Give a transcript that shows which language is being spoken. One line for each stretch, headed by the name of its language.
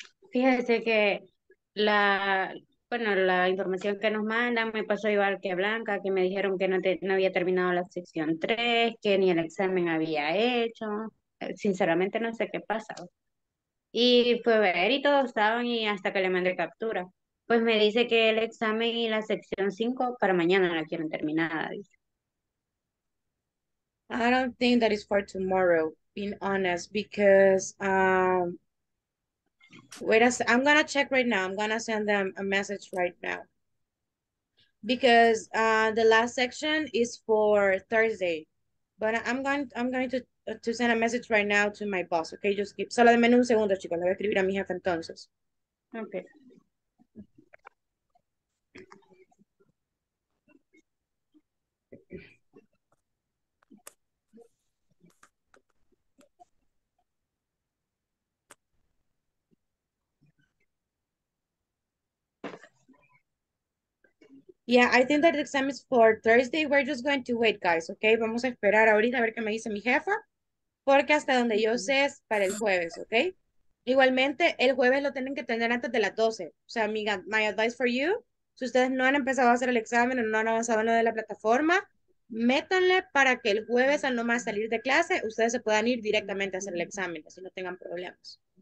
Spanish: Fíjese que la información que nos mandan me pasó igual que Blanca, que me dijeron que no había terminado la sección 3, que ni el examen había hecho. Sinceramente no sé qué pasa. Y fue ver y todos estaban y hasta que le mandé captura. Pues me dice que el examen y la sección 5 para mañana la quieren terminada, dice.
English: I don't think that is for tomorrow, being honest, because I'm gonna check right now. I'm gonna send them a message right now. Because the last section is for Thursday. But I'm going to send a message right now to my boss, okay? Just keep
Spanish: solo denme un segundo, chicos. Le voy a escribir a mi jefe entonces.
English: Okay. Yeah, I think that the exam is for Thursday. We're just going to wait, guys, okay?
Spanish: Vamos a esperar ahorita a ver qué me dice mi jefa, porque hasta donde yo sé es para el jueves, okay? Igualmente, el jueves lo tienen que tener antes de las 12. O sea, amiga,
English: my advice for you,
Spanish: si ustedes no han empezado a hacer el examen o no han avanzado en lo de la plataforma, métanle para que el jueves, al no más salir de clase, ustedes se puedan ir directamente a hacer el examen, así no tengan problemas.